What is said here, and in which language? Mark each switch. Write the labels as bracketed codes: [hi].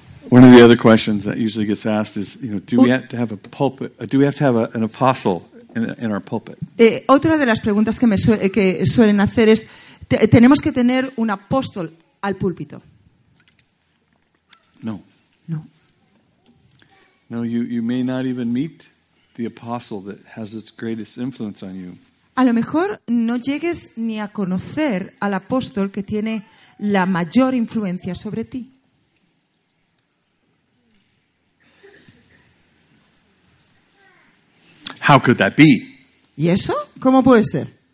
[en] One of the other questions that usually gets asked is, you know, do we have to have a pulpit? Do we have to have an apostle in our pulpit? [es] Otra de las preguntas que me que suelen hacer es, ¿tenemos que tener un apóstol al púlpito? [en] No. [es] No. [en] No, you may not even meet the apostle that has its greatest influence on you. [es] A lo mejor no llegues ni a conocer al apóstol que tiene la mayor influencia sobre ti. [en] How could that be? [es] ¿Y eso? ¿Cómo puede ser?